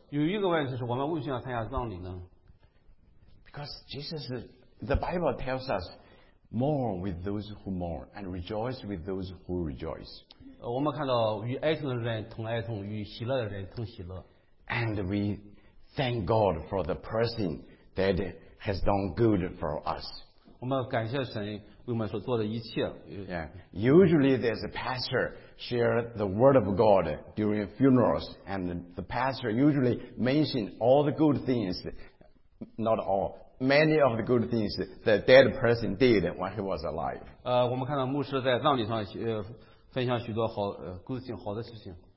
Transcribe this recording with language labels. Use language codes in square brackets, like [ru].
[zh] 有一个问题是我们为什么要参加葬礼呢？ [en] Because Jesus, the Bible tells us, mourn with those who mourn and rejoice with those who rejoice. [zh] 我们看到与哀痛的人同哀痛，与喜乐的人同喜乐。 [en] And we thank God for the person that has done good for us. [zh] 我们感谢神为我们所做的一切。 [en] Yeah. Usually there's a pastor. Share the word of God during funerals, and the pastor usually mentions all the good things, not all, many of the good things the dead person did when he was alive. [zh] 我们看到牧师在葬礼上分享许多好 [en] good thing, [zh] 好的事情。